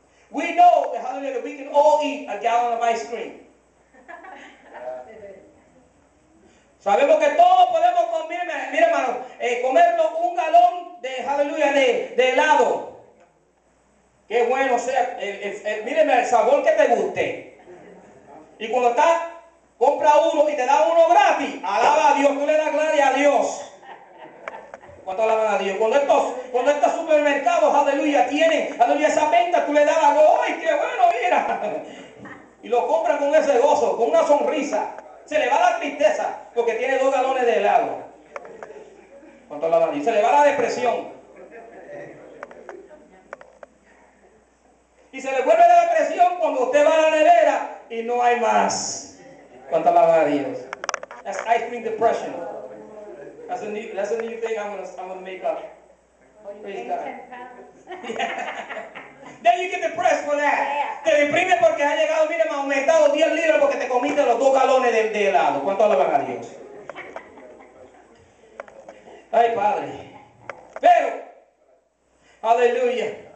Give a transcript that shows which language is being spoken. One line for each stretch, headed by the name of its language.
English: We know, hallelujah, that we can all eat a gallon of ice cream.
Spanish: Sabemos que todos podemos comer, mire hermano, comernos un galón de, aleluya, de helado. Qué bueno sea, míreme el sabor que te guste. Y cuando está, compra uno y te da uno gratis. Alaba a Dios, tú le das gloria a Dios. ¿Cuánto alaban a Dios? Cuando estos supermercados, aleluya, tienen, aleluya, esa venta, tú le das algo. ¡Ay, qué bueno, mira! Y lo compra con ese gozo, con una sonrisa. Se le va la tristeza porque tiene dos galones de helado. ¿Cuánto alaban a Dios? Se le va la depresión. Y se le vuelve la depresión cuando usted va a la nevera y no hay más. ¿Cuánto alaban a Dios?
English: That's ice cream depression. That's a new thing I'm gonna make up. Praise God. Then you get depressed for that.
Spanish: Yeah. Te deprime porque ha llegado, mire, me ha aumentado 10 libras porque te comiste los dos galones de helado. ¿Cuánto le van a Dios? Ay, Padre. Pero, aleluya.